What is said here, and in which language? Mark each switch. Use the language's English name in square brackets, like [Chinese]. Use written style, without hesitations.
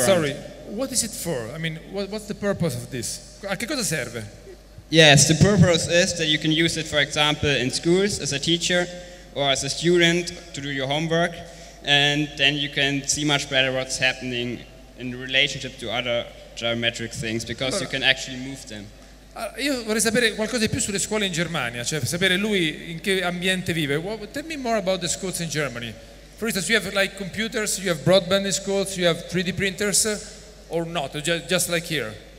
[English] Sorry, what is it for? I mean, what's the purpose of this? [Italian] A che cosa serve? [English] Yes, the purpose is that you can use it, for example, in schools as a teacher or as a student to do your homework, and then you can see much better what's happening in relationship to other geometric things because you can actually move them. [Italian] Io vorrei sapere qualcosa di più sulle scuole in Germania, cioè sapere lui in che ambiente vive. [English] Well, tell me more about the schools in Germany. For instance, you have like computers, you have broadband in schools, you have 3D printers, or not, just like here.